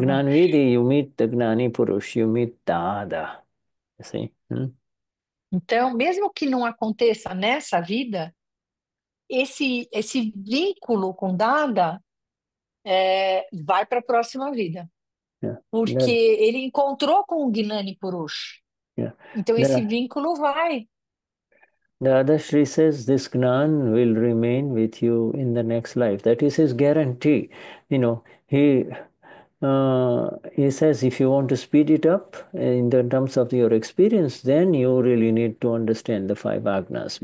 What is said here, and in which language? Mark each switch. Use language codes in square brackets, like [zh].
[en] Gnan Vidhi, you meet the Gnani Purush, you meet Dada, you see. [pt] Então, mesmo que não aconteça nessa vida, esse vínculo com Dada vai para a próxima vida, porque ele encontrou com o Gnani Purush. Então, esse vínculo vai. [en] The other Shri says this Gnan will remain with you in the next life. That is his guarantee. He says if you want to speed it up in the terms of your experience, then you really need to understand the five Agnas.